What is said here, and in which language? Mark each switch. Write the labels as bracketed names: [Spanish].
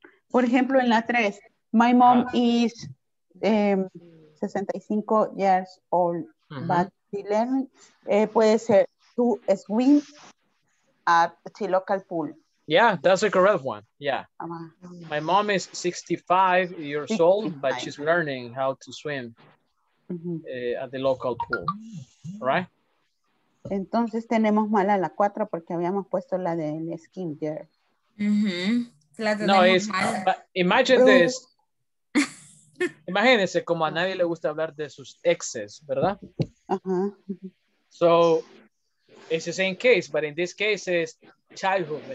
[Spanish] Por ejemplo, en la tres, [English] my mom is 65 years old, but she learns, [Spanish] puede ser [English] to swim at the local pool. Yeah, that's a correct one. Yeah. My mom is 65 years 65. Old, but she's learning how to swim at the local pool. Right? [Spanish] Entonces tenemos mal a la cuatro porque habíamos puesto la del skin care. [English] No, es. Imagine this. [Spanish] Imagínense como a nadie le gusta hablar de sus exes, ¿verdad? [English] So, it's the same case, but in this case, it's childhood.